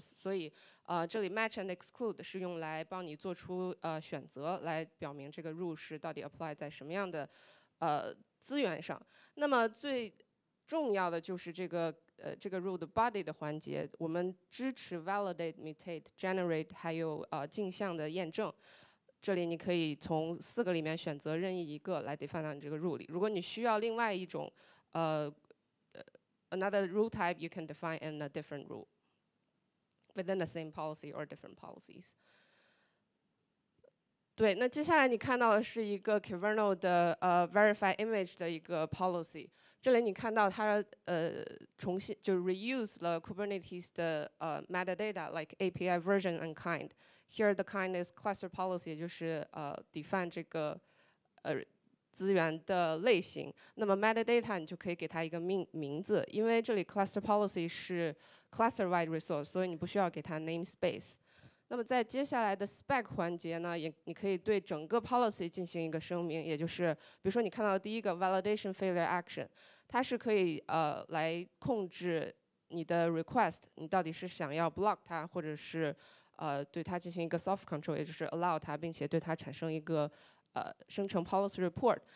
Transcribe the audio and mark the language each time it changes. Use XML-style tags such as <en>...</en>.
<zh>所以这里 match and exclude 是用来帮你做出选择，来表明这个 rule 是到底 apply 在什么样的资源上。那么最重要的就是这个这个 rule 的 body 的环节，我们支持 validate, mutate, generate, 还有镜像的验证。这里你可以从四个里面选择任意一个来 define 到你这个 rule 里。如果你需要另外一种</zh> <en>another rule type, you can define in a different rule within the same policy or different policies.</en> <zh>对，那接下来你看到的是一个 Kubernetes 的verify image 的一个 policy。这里你看到它重新就 reuse 了 Kubernetes 的</zh> <en>metadata like API version and kind. Here the kind is cluster policy,</en> <zh>就是define 这个资源的类型。那么 metadata 你就可以给它一个名字，因为这里 cluster policy 是 cluster wide resource, 所以你不需要给它 namespace。那么在接下来的 spec 环节呢，也你可以对整个 policy 进行一个声明，也就是比如说你看到第一个 validation failure action, 它是可以来控制你的 request, 你到底是想要 block 它，或者是对它进行一个 soft control, 也就是 allow 它，并且对它产生一个生成 policy report。</zh>